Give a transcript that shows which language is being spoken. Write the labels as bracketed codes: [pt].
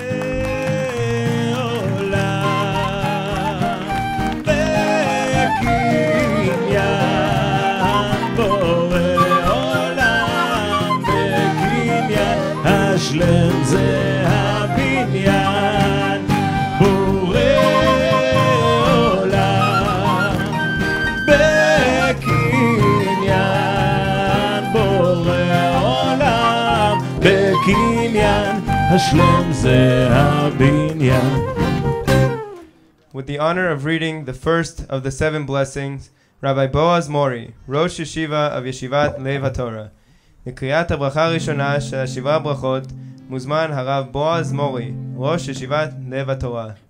[he] בורא עולם בקניין, בורא עולם בקניין, השלם זה הבניין. בורא עולם בקניין, בורא עולם בקניין, השלום זה הבניין. [en] With the honor of reading the first of the seven blessings, Rabbi Boaz Mori, Rosh Yeshiva of Yeshivat Lev HaTorah. [he] לקריאת הברכה הראשונה של השבעה ברכות מוזמן הרב בועז מורי, ראש ישיבת לב התורה.